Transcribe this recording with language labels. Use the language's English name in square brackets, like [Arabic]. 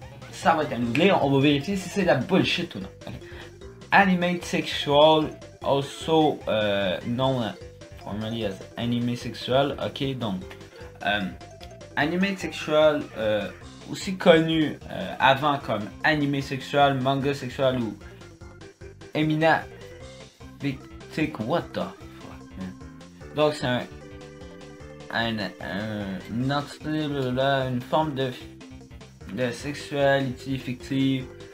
[French] Ça va être à nous de lire, on va vérifier si c'est de la bullshit ou non. Okay. [English] Anime sexual, also known formerly as anime sexual. [French] Ok, donc. Anime sexual. Aussi connu avant comme animé sexuel, manga sexuel ou Emina [English] Big Tick, what the fuck, man. [French] Donc c'est un entité là, une forme de sexualité fictive.